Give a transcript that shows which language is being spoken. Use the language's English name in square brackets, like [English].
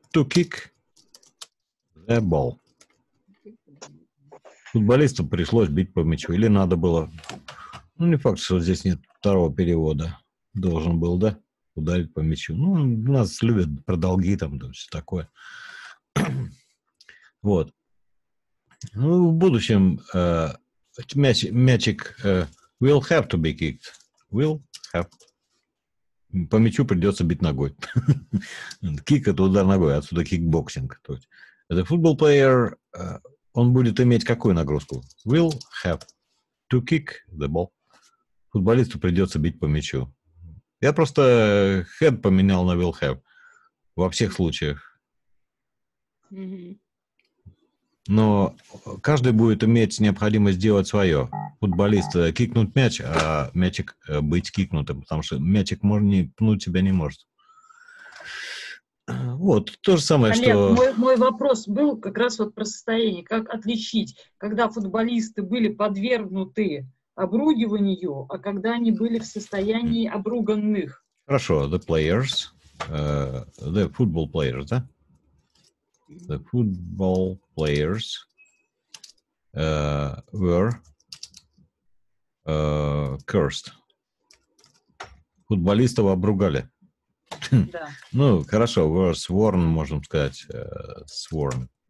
[English] To kick the ball. [Russian] Футболисту пришлось бить по мячу. Или надо было... Ну, не факт, что здесь нет второго перевода. Должен был, да, ударить по мячу. Ну, нас любят про долги там, да, все такое. Вот. Ну, в будущем мячик [English] will have to be kicked. Will have. [Russian] По мячу придется бить ногой. Кик — это удар ногой, отсюда кикбоксинг. То есть, the football player, он будет иметь какую нагрузку? [English] Will have to kick the ball. [Russian] Футболисту придется бить по мячу. Я просто had поменял на will have во всех случаях. Но каждый будет иметь необходимость сделать свое. Футболист кикнуть мяч, а мячик быть кикнутым, потому что мячик не пнуть себя не может. Вот, то же самое, Олег, что... Мой вопрос был как раз вот про состояние. Как отличить, когда футболисты были подвергнуты обругиванию, а когда они были в состоянии обруганных. [English] Хорошо, the players, the football players, да? The football players were cursed. [Russian] Футболистов обругали. Да. Ну, хорошо, [English] were sworn, [Russian] можем сказать, sworn.